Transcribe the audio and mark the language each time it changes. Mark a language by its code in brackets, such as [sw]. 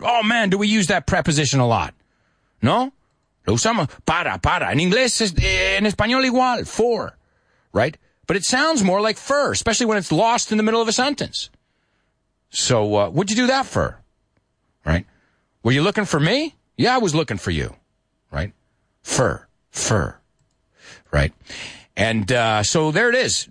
[en] Oh, man, do we use that preposition a lot? No? [es] Lo usamos para. En inglés, en español igual. [en] For. Right? but it sounds more like fur, especially when it's lost in the middle of a sentence. So what'd you do that for? Right? Were you looking for me? Yeah, I was looking for you. Right? Fur. Right? And so there it is.